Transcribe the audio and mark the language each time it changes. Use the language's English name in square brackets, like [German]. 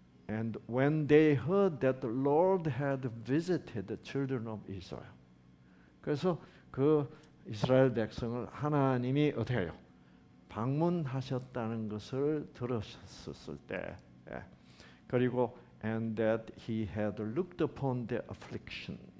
[English] And when they heard that the Lord had visited the children of Israel. [Korean] 그래서 그 이스라엘 백성을 하나님이 어때요? 방문하셨다는 것을 들었을 때. 예. 그리고 [English] and that he had looked upon their affliction.